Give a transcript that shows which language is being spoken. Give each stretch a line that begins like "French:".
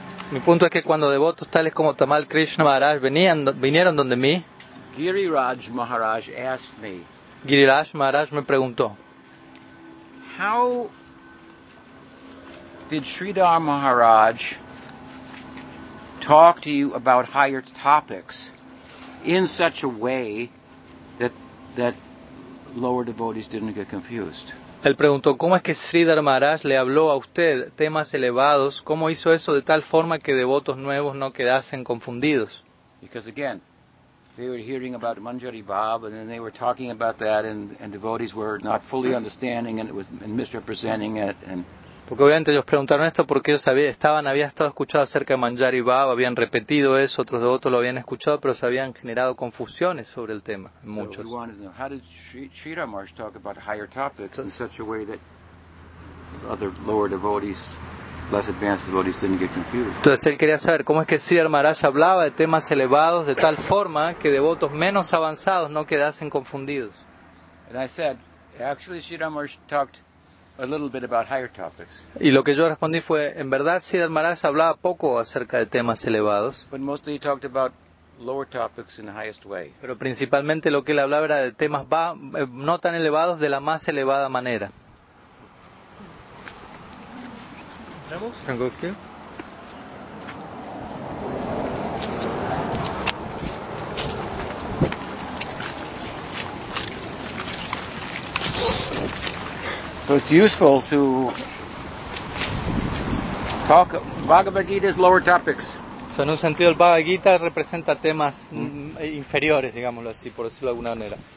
Spanish: Mi punto es que cuando devotos tales como Tamal Krishna Maharaj vinieron donde mí.
English: Giriraj Maharaj asked me.
Spanish: Giriraj Maharaj me preguntó.
English: How did Sridhar Maharaj talk to you about higher topics in such a way that lower devotees didn't get confused?
Spanish: Él preguntó, ¿cómo es que Sridhar Maharaj le habló a usted temas elevados? ¿Cómo hizo eso de tal forma que devotos nuevos no quedasen confundidos?
English: Because again, they were hearing about Manjari Bab, and then they were talking about that, and devotees were not fully understanding, and it was misrepresenting it. And
Spanish: porque obviamente ellos preguntaron esto porque ellos habían estado escuchado acerca de Manjari Bab, habían repetido eso, otros devotos lo habían escuchado, pero se habían generado confusiones sobre el tema. Muchos.
English: So we wanted to know, how did Sridhar Maharaj talk about higher topics in such a way that other lower devotees, less advanced devotees, didn't get confused.
Spanish: Entonces él quería saber cómo es que Sridhar Maharaj hablaba de temas elevados de tal forma que devotos menos avanzados no quedasen confundidos.
English: And I said, actually Sridhar Maharaj talked a little bit about higher topics.
Spanish: Y lo que yo respondí fue, en verdad Sridhar Maharaj hablaba poco acerca de temas elevados.
English: But mostly he talked about lower topics in the highest way.
Spanish: Pero principalmente lo que él hablaba era de temas no tan elevados de la más elevada manera.
English: So it's useful to talk Bhagavad Gita's lower topics. So
Spanish: en un sentido el Bhagavad Gita representa temas inferiores, digámoslo así, por decirlo de alguna manera.